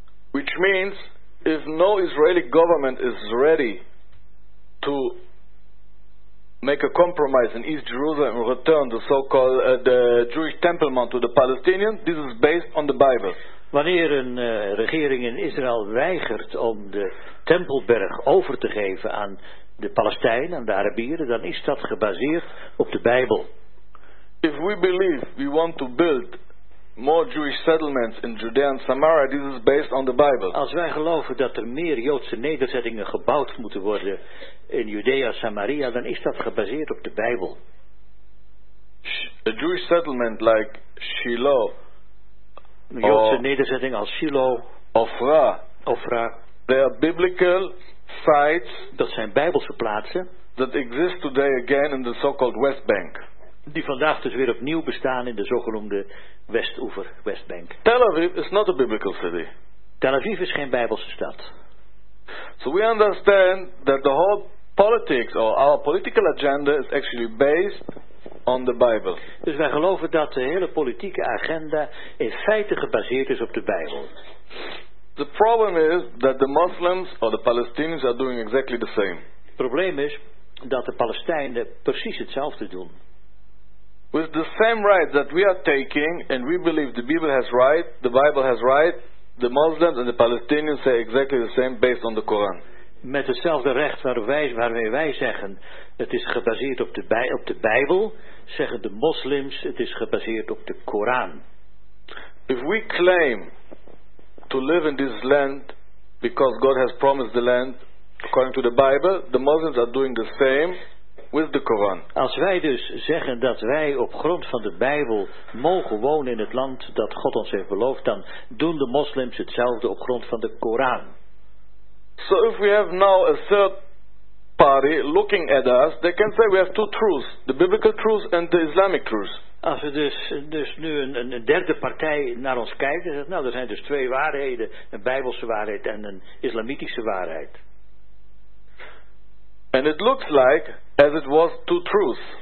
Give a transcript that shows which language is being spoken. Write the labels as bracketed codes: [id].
[en] Which means if no Israeli government is ready to make a compromise in East Jerusalem and return the so-called the Jewish Temple Mount to the Palestinians, this is based on the Bible. [nl] Wanneer een regering in Israël weigert om de Tempelberg over te geven aan de Palestijnen, aan de Arabieren, dan is dat gebaseerd op de Bijbel. [en] If we believe we want to build more Jewish settlements in Judea and Samaria, this is based on the Bible. [nl] Als wij geloven dat er meer Joodse nederzettingen gebouwd moeten worden in Judea en Samaria, dan is dat gebaseerd op de Bijbel. [en] a Jewish settlement like Shiloh, [nl] een Joodse nederzetting als Shiloh, [en] Ofra, they are biblical sites, [nl] dat zijn Bijbelse plaatsen, [en] that exist today again in the so-called West Bank. [nl] Die vandaag dus weer opnieuw bestaan in de zogenoemde Westoever, Westbank. [en] Tel Aviv is not a biblical city. [nl] Tel Aviv is geen Bijbelse stad. [en] So we understand that the whole politics or our political agenda is actually based on the Bible. [nl] Dus wij geloven dat de hele politieke agenda in feite gebaseerd is op de Bijbel. [en] The problem is that the Muslims or the Palestinians are doing exactly the same. [nl] Het probleem is dat de Palestijnen precies hetzelfde doen. [en] With the same right that we are taking, and we believe the Bible has right, the Bible has right, the Muslims and the Palestinians say exactly the same based on the Quran. [nl] Met hetzelfde recht waarmee wij zeggen het is gebaseerd op de Bijbel, zeggen de moslims het is gebaseerd op de Koran. [en] If we claim to live in this land because God has promised the land according to the Bible, the Muslims are doing the same with the Koran. [nl] Als wij dus zeggen dat wij op grond van de Bijbel mogen wonen in het land dat God ons heeft beloofd, dan doen de moslims hetzelfde op grond van de Koran. [en] So if we have now a third party looking at us, they can say we have two truths, the biblical truth and the Islamic truth. [nl] Als we dus nu een derde partij naar ons kijken, zegt nou, er zijn dus twee waarheden, een Bijbelse waarheid en een islamitische waarheid. [en] And it looks like as it was two truths.